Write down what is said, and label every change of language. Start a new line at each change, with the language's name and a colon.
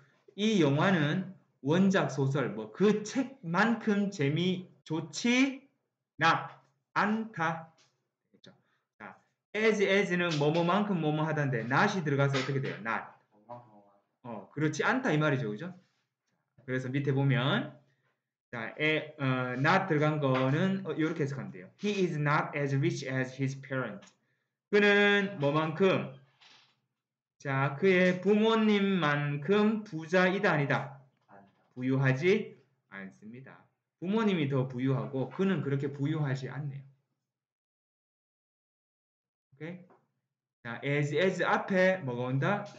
Korean: 이 영화는 원작 소설, 뭐 그 책만큼 재미 좋지 not 않다. 그렇죠. 자, as는 뭐뭐만큼 뭐뭐하다는데 not이 들어가서 어떻게 돼요? not. 그렇지 않다 이 말이죠, 그죠? 그래서 밑에 보면 자, not 들어간 거는 이렇게 해석하면 돼요.
English: He is not as rich as his parents.
Korean: 그는 뭐만큼 자, 그의 부모님만큼 부자이다 아니다. 부유하지 않습니다. 부모님이 더 부유하고 그는 그렇게 부유하지 않네요. 오케이? 자, as 앞에 뭐가 온다?